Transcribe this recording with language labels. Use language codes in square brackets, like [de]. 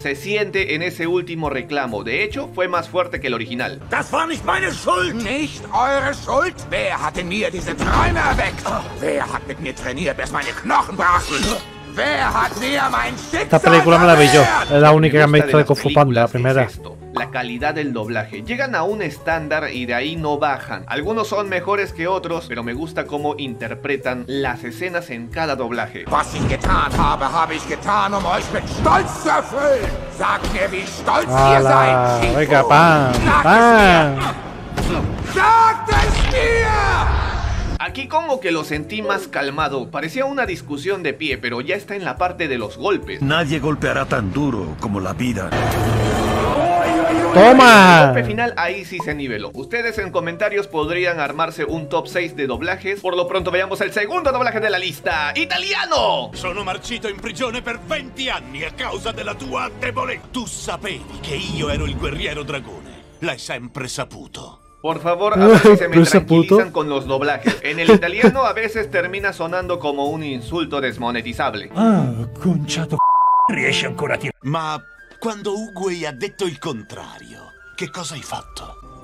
[es] Se siente en ese último reclamo. De hecho, fue más fuerte que el original. [de] Das war nicht meine Schuld. Nicht eure Schuld. Wer hat in mir diese Träume erweckt? Wer hat mit mir trainiert, bis meine Knochen brachen? Wer hat mir mein Schicksal? [es] Esta película me la vi yo. Es la única que me he visto de Kung Fu Panda, la primera. la calidad del doblaje. Llegan a un estándar y de ahí no bajan. Algunos son mejores que otros, pero me gusta cómo interpretan las escenas en cada doblaje. [de] Was ich getan habe, habe ich getan, um euch mit Stolz zu erfüllen. Sagt mir, wie stolz ihr seid. [es] Venga, pam, pam. [de] Sagt es mir. [es] Aquí como que lo sentí más calmado. Parecía una discusión de pie, pero ya está en la parte de los golpes. Nadie golpeará tan duro como la vida. ¡Toma! El golpe final ahí sí se niveló. Ustedes en comentarios podrían armarse un top 6 de doblajes. Por lo pronto veamos el segundo doblaje de la lista. ¡Italiano! [it] Sono marcito in prigione per 20 anni a causa della tua debolezza. Tu sapevi che io ero il guerriero dragone. L'hai sempre saputo. [es] Por favor, a veces se me tranquilizan con los doblajes. En el italiano a veces termina sonando como un insulto desmonetizable. Ah, conchato. [it] Riesce ancora a tirar. Ma cuando Uguay ha dicho el contrario, ¿qué cosa hay fatto?